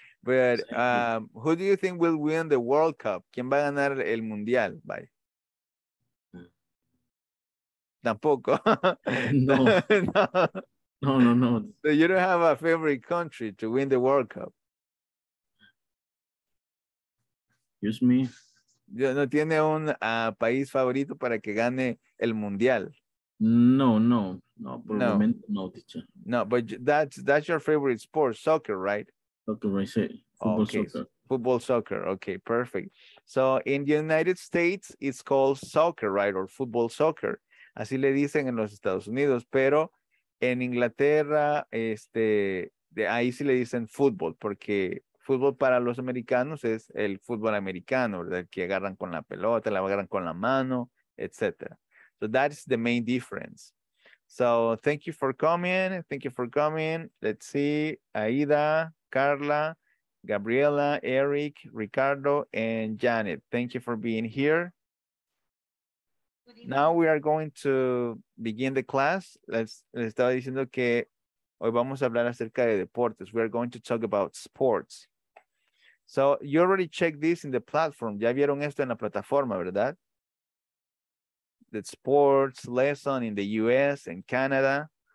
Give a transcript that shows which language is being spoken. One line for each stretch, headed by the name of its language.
English: But who do you think will win the World Cup?
Spanish: ¿Quién va a ganar el Mundial?
English: Bye.
Spanish: Tampoco. No.
English: So you don't have a favorite country to win the World Cup. Excuse me.
Spanish: ¿No tiene un país favorito para que gane el mundial? No, por el momento, teacher.
English: No, but that's your favorite sport, soccer, right? Soccer, I say. Football, soccer. Football, soccer. Okay, perfect. So in the United States, it's called soccer, right? Or football, soccer.
Spanish: Así le dicen en los Estados Unidos, pero en Inglaterra, ahí sí le dicen fútbol, porque fútbol para los americanos es el fútbol americano, ¿verdad? Que agarran con la pelota, la agarran con la mano,
English: etc. So that's the main difference. So thank you for coming. Thank you for coming. Let's see, Aida, Carla, Gabriela, Eric, Ricardo, and Janet. Thank you for being here. Now we are going to begin the class.
Spanish: Les estaba diciendo que hoy vamos a hablar acerca de deportes.
English: We are going to talk about sports. So you already checked this in the platform.
Spanish: Ya vieron esto en la plataforma, ¿verdad?
English: The sports lesson in the US and Canada.